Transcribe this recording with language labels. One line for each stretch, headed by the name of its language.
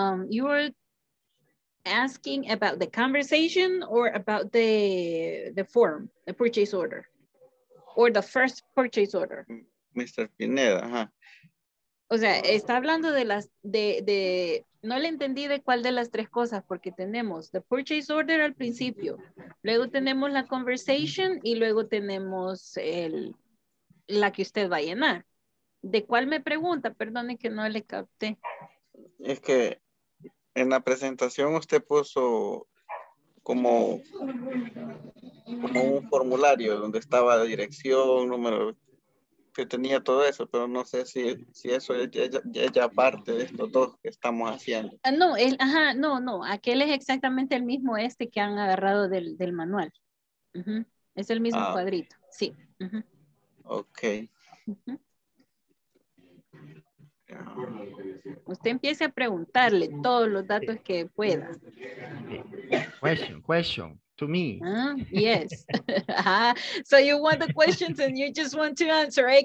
English: You're asking about the conversation or about the form, the purchase order, or the first purchase order? Mr. Pineda, huh?
Spanish: O sea, está hablando de las de no le entendí de cuál de las tres cosas, porque tenemos
English: the purchase order
Spanish: al principio, luego tenemos la conversation y luego tenemos la que usted va a llenar. ¿De cuál me pregunta? Perdone que no le capté. Es que en la presentación usted puso como un formulario donde estaba la dirección, número, que tenía todo eso, pero no sé si eso es ya parte de estos dos que estamos haciendo. No, aquel es exactamente el mismo este que han agarrado del manual. Uh-huh. Es el mismo cuadrito, sí. Uh-huh. Okay. Uh-huh. Usted empiece a preguntarle todos los datos que pueda.
English: Question to me. Yes. So you want the questions and you just want to answer, eh?